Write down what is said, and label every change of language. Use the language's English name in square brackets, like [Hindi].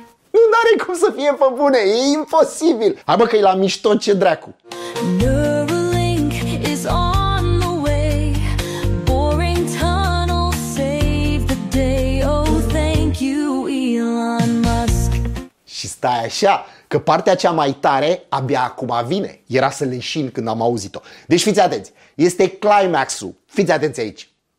[Romanian] Nu are cum să fie pe bune, e imposibil. Hai bă că e la mișto, ce dracu. [English] Neuralink is on the way. Boring tunnel save the day. Oh, thank you, Elon Musk. [Romanian] Și stai așa, că partea cea mai tare abia acum vine. Era să leșin când am auzit-o. Deci fiți atenți, este climaxul. Fiți atenți aici.